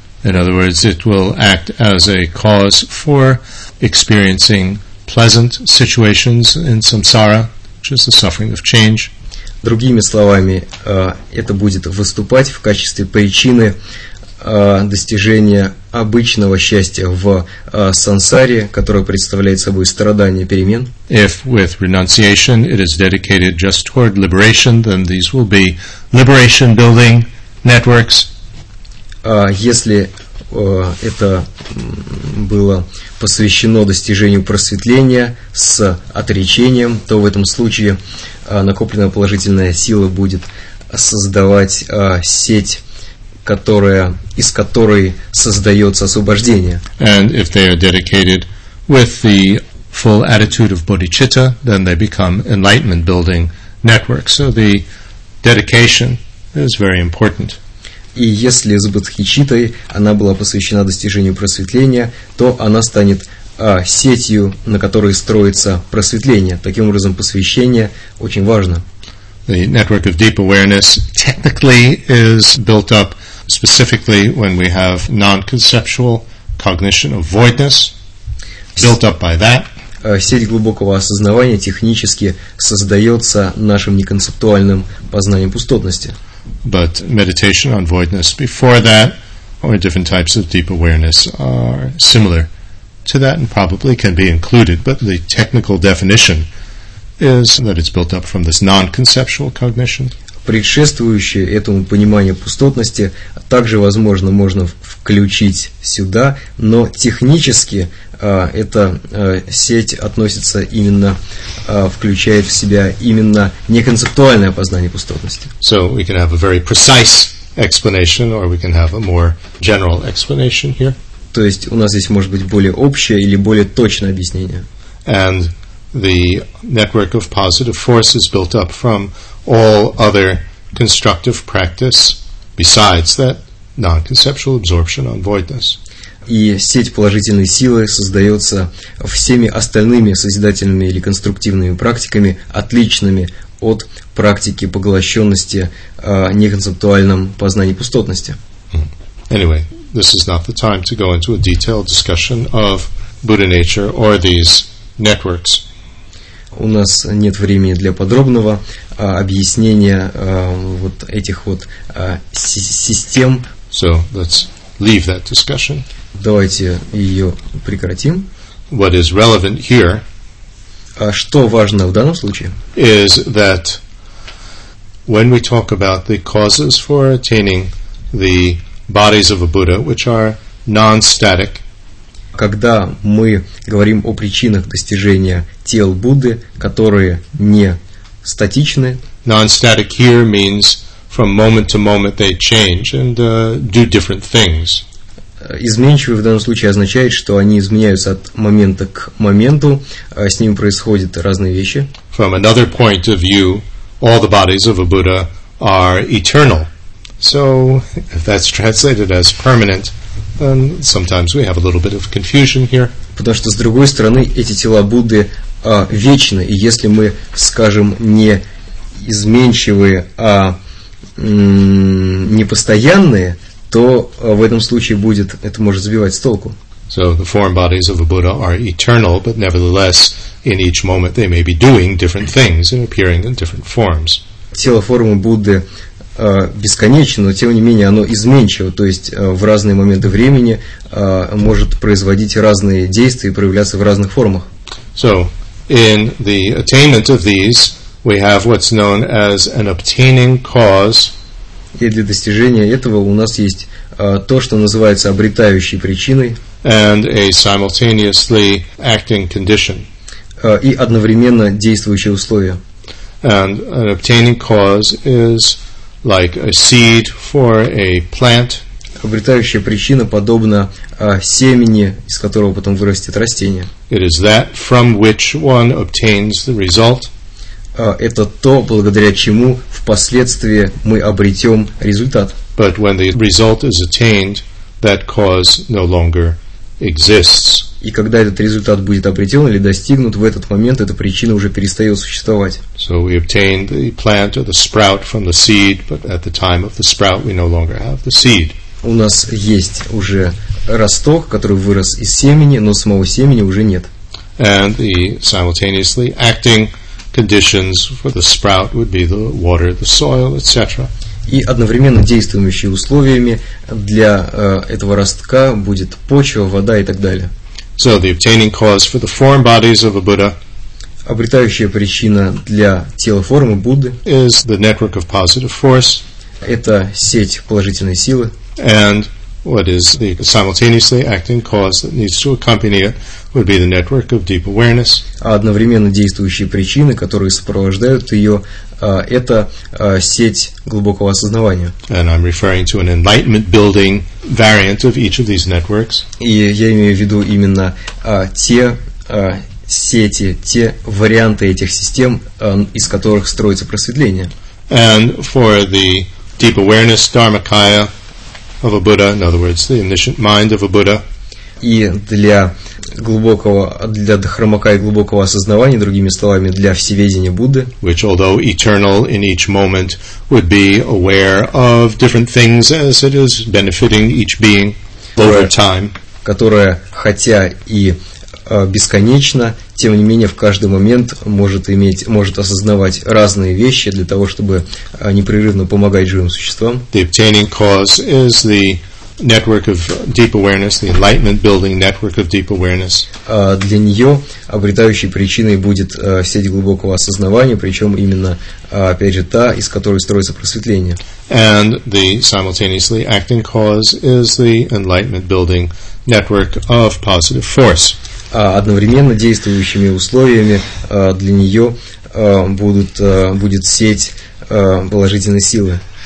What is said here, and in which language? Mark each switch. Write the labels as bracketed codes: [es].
[en] In other words, it will act as a cause for experiencing pleasant situations in samsara, which is the suffering of change. [ru] Другими словами, это будет выступать в качестве причины достижения обычного счастья в сансаре, которое представляет собой страдание перемен. [en] If with renunciation it is dedicated just toward liberation, then these will be liberation-building networks. [ru] Если это было посвящено достижению просветления с отречением, то в этом случае накопленная положительная сила будет создавать сеть, которая, из которой создается освобождение. [en] And if they are dedicated with the full attitude of bodhicitta, then they become enlightenment building networks. So the dedication is very important. [ru] И если с бодхичиттой она была посвящена достижению просветления, то она станет сетью, на которой строится просветление. Таким образом, посвящение очень важно. [en] The network of deep awareness technically is built up specifically when we have non-conceptual cognition of voidness, built up by that. [ru] Сеть глубокого осознавания технически создается нашим неконцептуальным познанием пустотности. [en] But meditation on voidness before that, or different types of deep awareness, are similar to that and probably can be included. But the technical definition is that it's built up from this non-conceptual cognition. [ru] Предшествующее этому пониманию пустотности также, возможно, можно включить сюда, но технически эта сеть относится именно, включает в себя именно неконцептуальное познание пустотности. [en] So we can have a very precise explanation, or we can have a more general explanation here. [ru] То есть у нас здесь может быть более общее или более точное объяснение. [en] And the network of positive force is built up from all other constructive practice besides that non-conceptual absorption on voidness. [ru] И сеть положительной силы создается всеми остальными созидательными или конструктивными практиками, отличными от практики поглощенности неконцептуальном познании пустотности. [en] Anyway, this is not the time to go into a detailed discussion of Buddha nature or these networks. [ru] У нас нет времени для подробного объяснения вот этих вот систем. [en] So let's leave that discussion. [ru] Давайте ее прекратим. [en] What is relevant here? [ru] Что важно в данном случае? [en] Is that when we talk about the causes for attaining the bodies of a Buddha, which are non-static. [ru] Когда мы говорим о причинах достижения тел Будды, которые не статичны. [en] Non-static here means from moment to moment they change and do different things. [ru] Изменчивый в данном случае означает, что они изменяются от момента к моменту, с ними происходят разные вещи. [en] From another point of view, all the bodies of a Buddha are eternal. So, if that's translated as permanent, then sometimes we have a little bit of confusion here. [ru] Потому что, с другой стороны, эти тела Будды вечны, и если мы, скажем, не изменчивые, а непостоянные, то в этом случае будет, это может сбивать с толку. [en] So the form bodies of a Buddha are eternal, but nevertheless, in each moment they may be doing different things and appearing in different forms. [ru] Тело формы Будды бесконечно, но тем не менее оно изменчиво, то есть в разные моменты времени может производить разные действия и проявляться в разных формах. [en] So, in the attainment of these, we have what's known as an obtaining cause. [ru] И для достижения этого у нас есть то, что называется обретающей причиной. [en] And a simultaneously acting condition. [ru] И одновременно действующее условие. [en] And an obtaining cause is like a seed for a plant. [ru] Обретающая причина подобна семени, из которого потом вырастет растение. [en] It is that from which one obtains the result. [ru] Это то, благодаря чему впоследствии мы обретем результат. [en] But when the result is attained, that cause no longer exists. [ru] И когда этот результат будет обретен или достигнут, в этот момент эта причина уже перестает существовать. [en] So we obtain the plant or the sprout from the seed, but at the time of the sprout we no longer have the seed. [ru] У нас есть уже росток, который вырос из семени, но самого семени уже нет. [en] And the simultaneously acting conditions for the sprout would be the water, the soil, etc. [ru] И одновременно действующими условиями для этого ростка будет почва, вода и так далее. [en] So the obtaining cause for the form bodies of a Buddha. [ru] Обретающая причина для тела формы Будды. [en] Is the network of positive force. [ru] Это сеть положительной силы. [en] And what is the simultaneously acting cause that needs to accompany it would be the network of deep awareness. [ru] А одновременно действующие причины, которые сопровождают ее, это сеть глубокого осознавания. [en] And I'm referring to an enlightenment building variant of each of these networks. [ru] И я имею в виду именно те сети, те варианты этих систем, из которых строится просветление. [en] And for the deep awareness dharmakaya of a Buddha, in other words, the omniscient mind of a Buddha. [ru] И для глубокого, для дхармака и глубокого осознавания, другими словами, для всеведения Будды. [en] Which, although eternal in each moment, would be aware of different things as it is benefiting each being over time. [ru] Которая, хотя и бесконечна, тем не менее в каждый момент может осознавать разные вещи для того, чтобы непрерывно помогать живым существам. [en] The obtaining cause is the network of deep awareness, the enlightenment building network of deep awareness. [ru] Для нее обретающей причиной будет сеть глубокого осознавания, причем именно опять же та, из которой строится просветление. [en] And the simultaneously acting cause is the enlightenment building network of positive force. [ru] А одновременно действующими условиями для нее будет сеть положительной силы.